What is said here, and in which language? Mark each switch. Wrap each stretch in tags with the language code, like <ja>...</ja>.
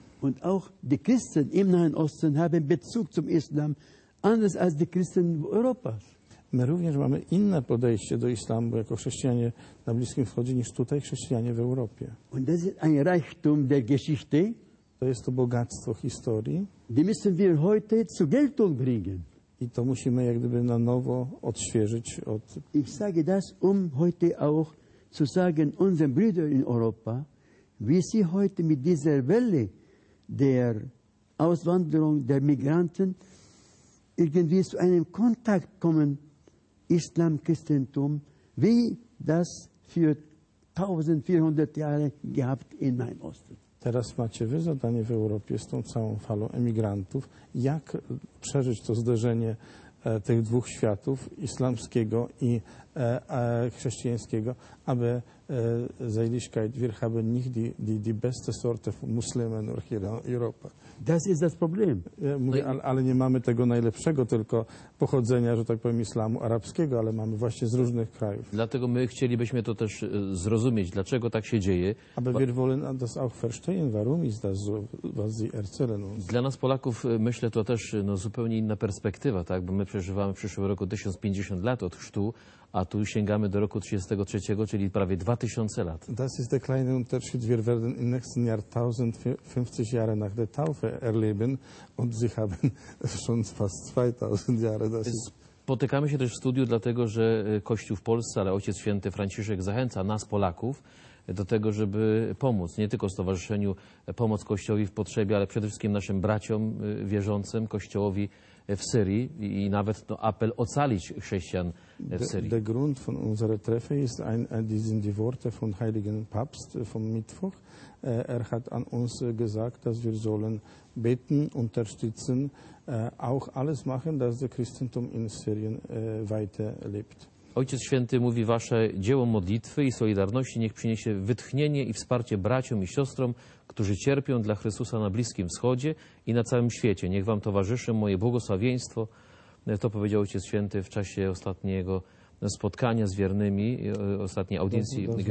<de>Und auch die Christen im Nahen Osten haben Bezug zum Islam anders als die Christen</de> <pl>w Europie. My również mamy inne podejście do islamu jako chrześcijanie na Bliskim Wschodzie niż tutaj chrześcijanie w Europie.</pl> <de>Und das ist ein Reichtum der Geschichte.</de> <pl>To jest to bogactwo historii.</pl> <de>Die müssen wir heute zur Geltung bringen.</de> <pl>I to musimy jak gdyby na nowo odświeżyć od.</pl> <de>Ich sage das, heute auch zu sagen unseren Brüdern in Europa, wie sie heute mit dieser Welle der Auswanderung der Migranten irgendwie zu einem Kontakt kommen, Islam, Christentum, wie das für 1400 Jahre gehabt in meinem Osten.</de> <pl>Teraz macie wy zadanie w Europie z tą całą falą emigrantów. Jak przeżyć to zderzenie tych dwóch światów, islamskiego i chrześcijańskiego, aby</pl> <de>Seligkeit, wir haben nicht die beste Sorte von Muslimen hier in Europa. Das ist das Problem.</de> <pl>Mówię, ale nie mamy tego najlepszego tylko pochodzenia, że tak powiem, islamu arabskiego, ale mamy właśnie z różnych krajów. Dlatego my chcielibyśmy to też zrozumieć, dlaczego tak się dzieje.</pl> <de>Aber wir wollen das auch verstehen, warum ist das so, was sie erzählen uns.</de> <pl>Dla nas Polaków, myślę, to też zupełnie inna perspektywa, tak? Bo my przeżywamy w przyszłym roku 1050 lat od chrztu, a tu sięgamy do roku 33, czyli prawie 2000 lat.</pl> <de>Das ist der kleine Unterschied. Wir werden im nächsten Jahr 1050 Jahre nach der Taufe erleben und sie haben schon fast 2000 Jahre.</de> <pl>Spotykamy się też w studiu, dlatego że Kościół w Polsce, ale Ojciec Święty Franciszek zachęca nas, Polaków, do tego, żeby pomóc nie tylko Stowarzyszeniu Pomoc Kościołowi w Potrzebie, ale przede wszystkim naszym braciom wierzącym, Kościołowi w Syrii i nawet apel ocalić chrześcijan w Syrii.</pl> <de>Der Grund von unserer Treffe ist die Worte von Heiligen Papst vom Mittwoch. Hat an uns gesagt, dass wir sollen beten, unterstützen, auch alles machen, dass das Christentum in Syrien weiterlebt.</de> <pl>Ojciec Święty mówi, wasze dzieło modlitwy i solidarności niech przyniesie wytchnienie i wsparcie braciom i siostrom, którzy cierpią dla Chrystusa na Bliskim Wschodzie i na całym świecie. Niech wam towarzyszy moje błogosławieństwo. To powiedział Ojciec Święty w czasie ostatniego spotkania z wiernymi, ostatniej audiencji</pl>